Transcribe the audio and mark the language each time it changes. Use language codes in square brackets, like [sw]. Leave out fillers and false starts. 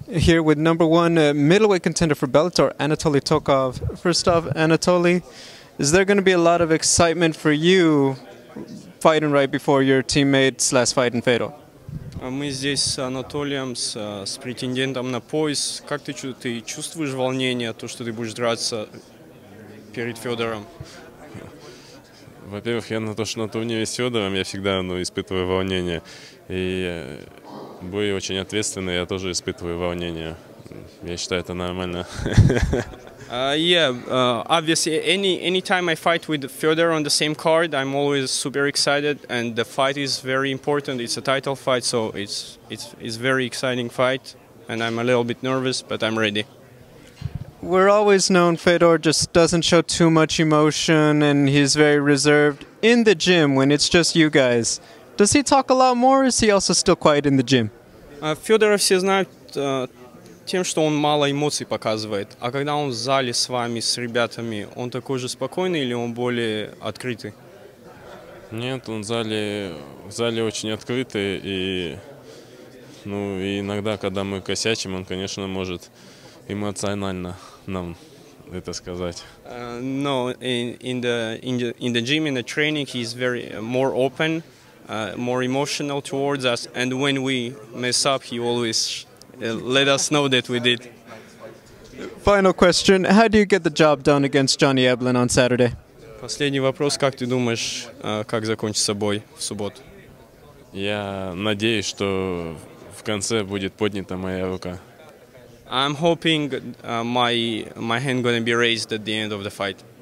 [en] here with number one middleweight contender for Bellator, Anatoly Tokov. First off, Anatoly, is there going to be a lot of excitement for you fighting right before your teammate slash fighting Fedor? [ru] Мы здесь с Анатолием, с претендентом на пояс. Как ты чувствуешь? Ты чувствуешь волнение, то, что ты будешь драться перед Федором? Во-первых, я на то, что на турнире с Федором, я всегда испытываю волнение. И бой очень ответственный, я тоже испытываю волнение. Я считаю, это нормально. [en] Obviously, any time I fight with Fedor on the same card, I'm always super excited, and the fight is very important. It's a title fight, so it's very exciting fight, and I'm a little bit nervous, but I'm ready. We're always known Fedor just doesn't show too much emotion, and he's very reserved in the gym when it's just you guys. Does he talk a lot more, or is he also still quiet in the gym? [ru] Fedor, все знают. Тем, что он мало эмоций показывает. А когда он в зале с вами, с ребятами, он такой же спокойный или он более открытый? Нет, он в зале очень открытый. И, ну, и иногда, когда мы косячим, он, конечно, может эмоционально нам это сказать. [en] No, in the gym, in the training, he's very more open, more emotional towards us. And when we mess up, he always... let us know that we did. Final question. How do you get the job done against Johnny Eblen on Saturday? [ru] Последний вопрос. Как ты думаешь, как закончится бой в субботу? Я надеюсь, что в конце будет поднята моя рука. [en] I'm hoping my hand gonna be raised at the end of the fight.